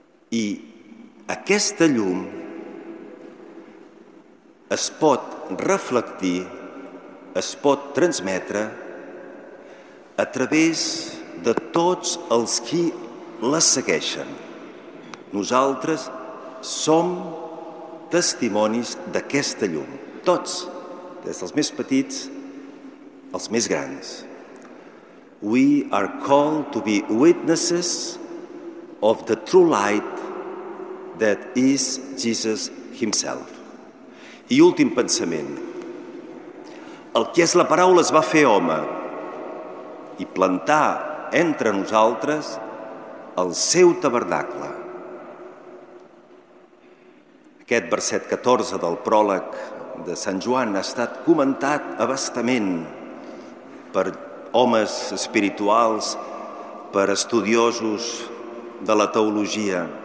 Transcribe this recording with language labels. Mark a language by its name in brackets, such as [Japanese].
[Catalan] I aquesta llum es pot reflectir, es pot transmetre a través de tots els qui la segueixen. Nosaltres som testimonis d'aquesta llum. Tots, des dels més petits als més grans. [English] We are called to be witnesses of the true light that is Jesus himself. [Catalan] I últim pensament. El que és la paraula es va fer home i plantar entre nosaltres el seu tabernacle. Aquest verset 14 del pròleg de Sant Joan ha estat comentat abastament per homes espirituals, per estudiosos de la teologia.